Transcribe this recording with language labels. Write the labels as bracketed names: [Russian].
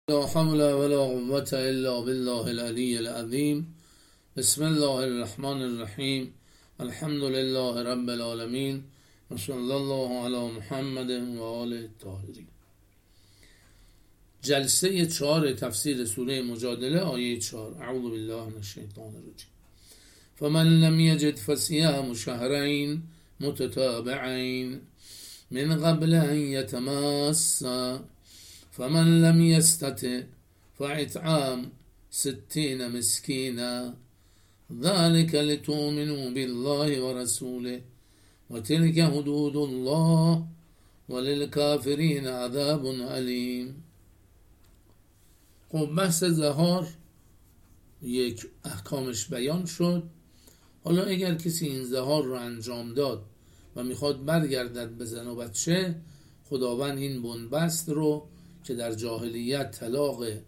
[Arabic] لا حول ولا قوة إلا بالله العلي العظيم. بسم الله الرحمن الرحيم. الحمد لله رب العالمين، وصلى الله على محمد وآله الطاهرين. [Persian] جلسه 4 تفسیر سوره مجادله آیه 4. [Arabic] اعوذ بالله من الشیطان الرجیم. فمن لم يجد فصيام شهرين متتابعين من قبل ان يتماس، فمن لم يستطع فإطعام 60 مسكينا، ذلك لتؤمنوا بالله ورسوله، وتلك حدود الله، وللكافرين عذاب أليم. [Persian] خب بحث زهار یک احکامش بیان شد. حالا اگر کسی این زهار رو انجام داد و میخواد برگردد به زن و بچه، خداوند این بنبست رو که در جاهلیت طلاق